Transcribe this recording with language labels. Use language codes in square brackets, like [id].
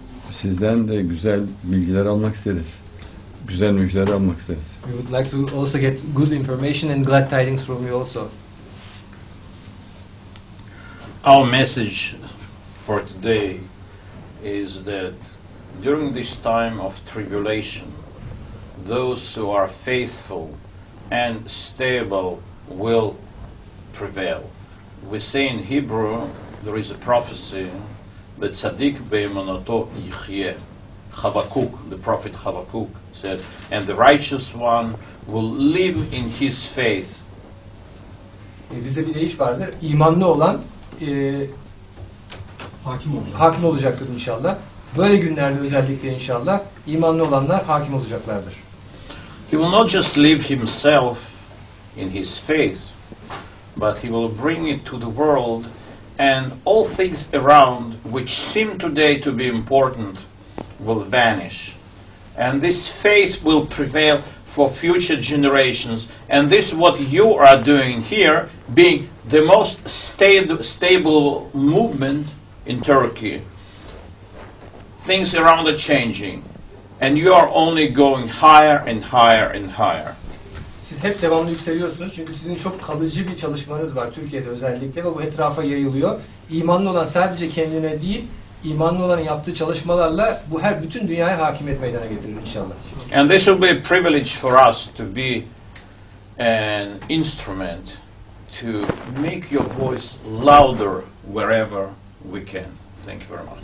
[tr] sizden de güzel bilgiler almak isteriz. Güzel müjdeler almak isteriz. [en] We would like to also get good information and glad tidings from you also. Our message for today is that during this time of tribulation, those who are faithful and stable will prevail. We say in Hebrew there is a prophecy, [he] "Betzadik be'emunato yichye." [en] Habakkuk, the prophet Habakkuk, said, "And the righteous one will live in his faith." [tr] Bizde bir deyiş vardır. İmanlı olan hakim olacaktır inşallah. Böyle günlerde özellikle inşallah imanlı olanlar hakim olacaklardır. [en] He will not just live himself in his faith, but he will bring it to the world. And all things around which seem today to be important will vanish. And this faith will prevail for future generations. And this is what you are doing here, being the most stable movement in Turkey. Things around are changing. And you are only going higher and higher and higher. [tr] Siz hep devamlı yükseliyorsunuz çünkü sizin çok kalıcı bir çalışmanız var Türkiye'de özellikle ve bu etrafa yayılıyor. İmanlı olan sadece kendine değil, imanlı olanın yaptığı çalışmalarla bu her bütün dünyaya hakimiyet meydana getirir inşallah. [en] And this will be a privilege for us to be an instrument to make your voice louder wherever we can. Thank you very much.